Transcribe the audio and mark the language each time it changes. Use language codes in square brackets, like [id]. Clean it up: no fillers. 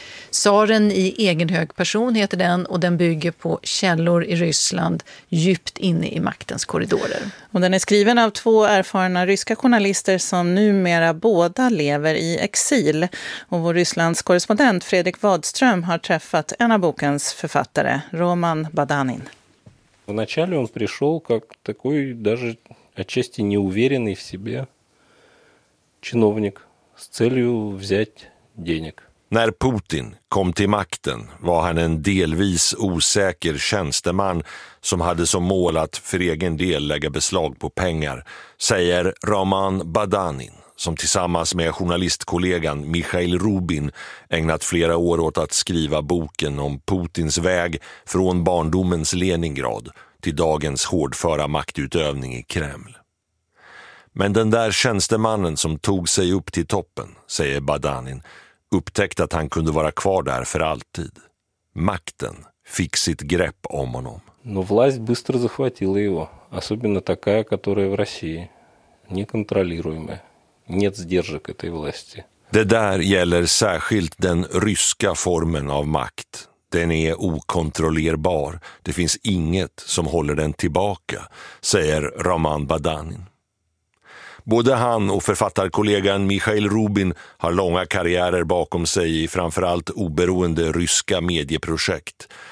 [sv] Tsaren i egen hög person heter den, och den bygger på källor i Ryssland djupt inne i maktens korridorer. Och den är skriven av två erfarna ryska journalister som numera båda lever i exil. Och vår Rysslands korrespondent Fredrik Wadström har träffat en av bokens författare, Roman Badanin. [ru] В начале он пришел как такой даже отчасти неуверенный в себе чиновник с целью взять денег. [sv] När Putin kom till makten var han en delvis osäker tjänsteman som hade som mål att för egen del lägga beslag på pengar, säger Roman Badanin, som tillsammans med journalistkollegan Mikhail Rubin ägnat flera år åt att skriva boken om Putins väg från barndomens Leningrad till dagens hårdföra maktutövning i Kreml. Men den där tjänstemannen som tog sig upp till toppen, säger Badanin, upptäckt att han kunde vara kvar där för alltid. Makten fick sitt grepp om honom. [ru] Но власть быстро захватила его, особенно такая, которая в России, неконтролируемая, нет сдержек этой власти. [sv] Det där gäller särskilt den ryska formen av makt. Den är okontrollerbar. Det finns inget som håller den tillbaka, säger Roman Badanin. Både han och författarkollegan Mikhail Rubin har långa karriärer bakom sig i framförallt oberoende ryska medieprojekt.